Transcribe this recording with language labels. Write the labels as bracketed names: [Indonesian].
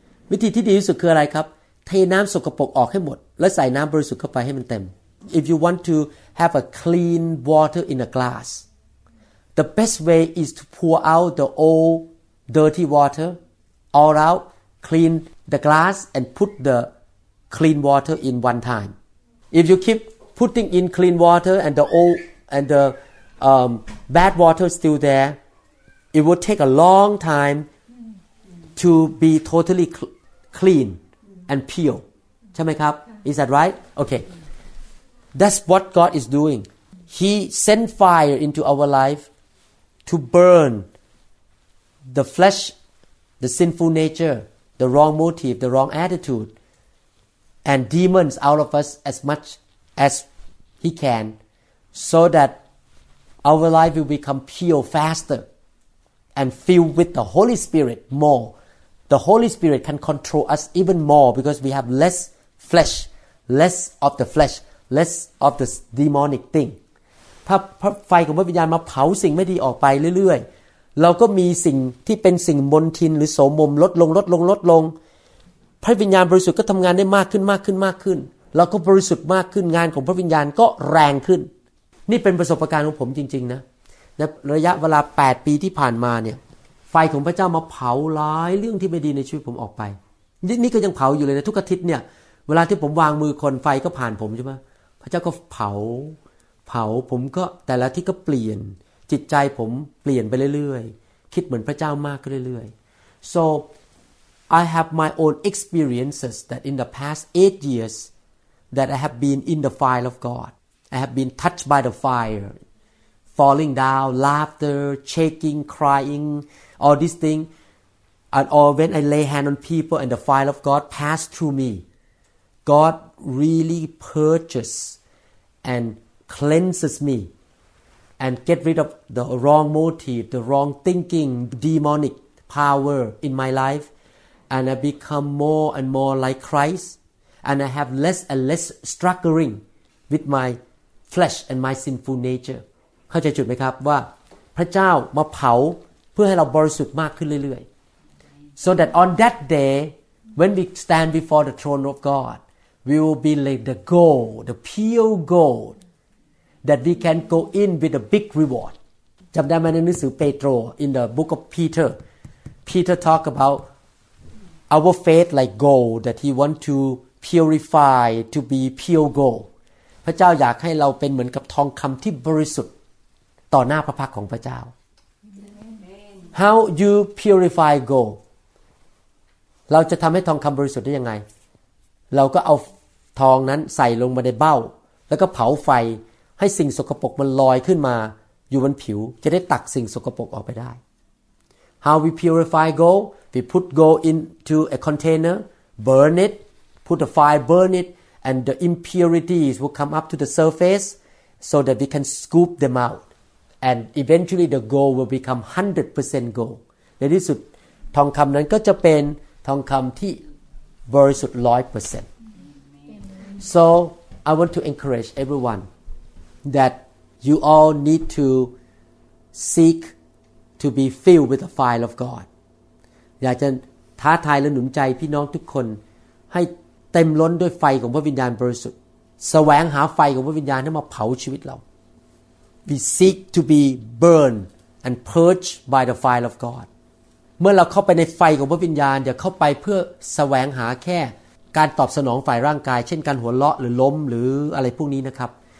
[Thai] วิธีที่ดีที่สุดคืออะไรครับเทน้ำสกปรกออกให้หมดแล้วใส่น้ำบริสุทธิ์เข้าไปให้มันเต็ม [English] if you want to have a clean water in a glass the best way is to pour out the old dirty water all out clean the glass and put theclean water in one time. If you keep putting in clean water and the old and the bad water still there, it will take a long time to be totally clean and pure. [Thai] ใช่ไหมครับ [English] Is that right? Okay. That's what God is doing. He sent fire into our life to burn the flesh, the sinful nature, the wrong motive, the wrong attitude. And demons out of us as much as he can, so that our life will become pure faster and filled with the Holy Spirit more. The Holy Spirit can control us even more because we have less flesh, less of the flesh, less of the demonic thing. [Thai] ถ้าไฟของพระวิญญาณมาเผาสิ่งไม่ดีออกไปเรื่อยๆเราก็มีสิ่งที่เป็นสิ่งมลทินหรือโสมมลดลงลดลงลดลงพระวิญญาณบริสุทธิ์ก็ทำงานได้มากขึ้นมากขึ้นมากขึ้นเราก็บริสุทธิ์มากขึ้นงานของพระวิญญาณก็แรงขึ้นนี่เป็นประสบการณ์ของผมจริงๆนะในระยะเวลา8ปีที่ผ่านมาเนี่ยไฟของพระเจ้ามาเผาหลายเรื่องที่ไม่ดีในชีวิตผมออกไป นี่ก็ยังเผาอยู่เลยนะทุกอาทิตย์เนี่ยเวลาที่ผมวางมือคนไฟก็ผ่านผมใช่ไหมพระเจ้าก็เผาผมก็แต่ละที่ก็เปลี่ยนจิตใจผมเปลี่ยนไปเรื่อยๆคิดเหมือนพระเจ้ามากขึ้นเรื่อยๆ [English] soI have my own experiences that in the past 8 years that I have been in the fire of God. I have been touched by the fire, falling down, laughter, shaking, crying, all these things. And all when I lay hand on people and the fire of God passed through me, God really purges and cleanses me and get rid of the wrong motive, the wrong thinking, demonic power in my life. And I become more and more like Christ, and I have less and less struggling with my flesh and my sinful nature. [Thai] เข้าใจจุดไหมครับว่าพระเจ้ามาเผาเพื่อให้เราบริสุทธิ์มากขึ้นเรื่อยๆ [English] so that on that day when we stand before the throne of God, we will be like the gold, the pure gold, that we can go in with a big reward. [Thai] จำได้ไหมในหนังสือเปโตร [English] in the book of Peter, Peter talk aboutOur faith like gold that he want to purify to be pure gold. [Thai] พระเจ้าอยากให้เราเป็นเหมือนกับทองคำที่บริสุทธิ์ต่อหน้าพระพักของพระเจ้า Amen. [English] How you purify gold? [Thai] เราจะทำให้ทองคำบริสุทธิ์ได้ยังไงเราก็เอาทองนั้นใส่ลงมาในเบ้าแล้วก็เผาไฟให้สิ่งสกปรกมันลอยขึ้นมาอยู่บนผิวจะได้ตักสิ่งสกปรกออกไปได้ [English] How we purify goldWe put gold into a container, burn it, put the fire, burn it, and the impurities will come up to the surface so that we can scoop them out. And eventually the gold will become 100% gold. [Thai] ในที่สุดทองคำนั้นก็จะเป็นทองคำที่บริสุทธิ์ 100%. [English] So I want to encourage everyone that you all need to seek to be filled with the fire of God. [Thai] อยากจะท้าทายและหนุนใจพี่น้องทุกคนให้เต็มล้นด้วยไฟของพระวิญญาณบริสุทธิ์ แสวงหาไฟของพระวิญญาณให้มาเผาชีวิตเรา [English] We seek to be burned and purged by the fire of God [Thai] เมื่อเราเข้าไปในไฟของพระวิญญาณอย่าเข้าไปเพื่อแสวงหาแค่การตอบสนองฝ่ายร่างกายเช่นการหัวเราะหรือล้มหรืออะไรพวกนี้นะครับ